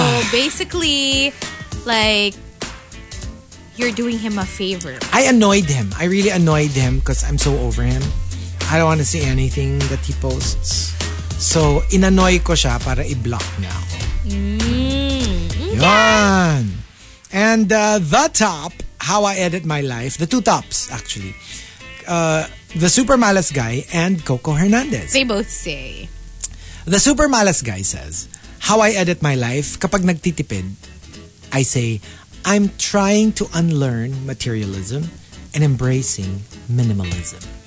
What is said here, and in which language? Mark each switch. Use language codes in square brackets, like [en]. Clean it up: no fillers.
[en] Basically, like, you're doing him a favor. I annoyed him. I really annoyed him because I'm so over him. I don't want to see anything that he posts. [tl] So, inannoy ko siya para i-block niya ako. Mm. Yan! [en] And the top, how I edit my life, the two tops, actually. The Super Malas Guy and Coco Hernandez. They both say. The Super Malas Guy says, how I edit my life, [tl] kapag nagtitipid, [en] I say, I'm trying to unlearn materialism and embracing minimalism.